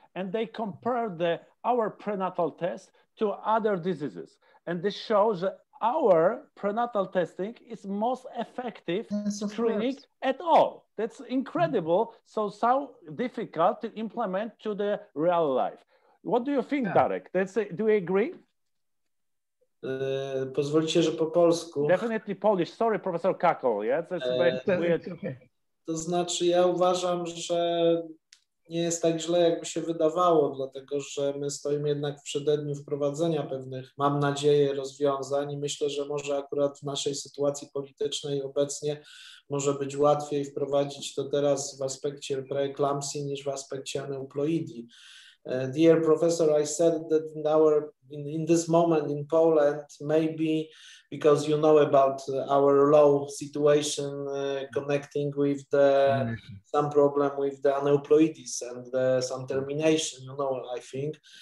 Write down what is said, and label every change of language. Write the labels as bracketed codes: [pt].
[en] And they compare our prenatal test to other diseases. And this shows that our prenatal testing is most effective screening at all. That's incredible. So difficult to implement to the real life. What do you think, Darek? Do you agree? [pl] Pozwolicie, że po polsku. [en] Definitely Polish. Sorry, Professor Kakol. Yeah, that's very weird. [pl] To znaczy, ja uważam, że nie jest tak źle, jakby się wydawało, dlatego że my stoimy jednak w przededniu wprowadzenia pewnych, mam nadzieję, rozwiązań i myślę, że może akurat w naszej sytuacji politycznej obecnie może być łatwiej wprowadzić to teraz w aspekcie preeklampsji niż w aspekcie aneuploidii. [en] Dear professor, I said that in this moment in Poland, maybe because you know about our low situation connecting with the some problem with the aneuploidies and some termination, you know, I think.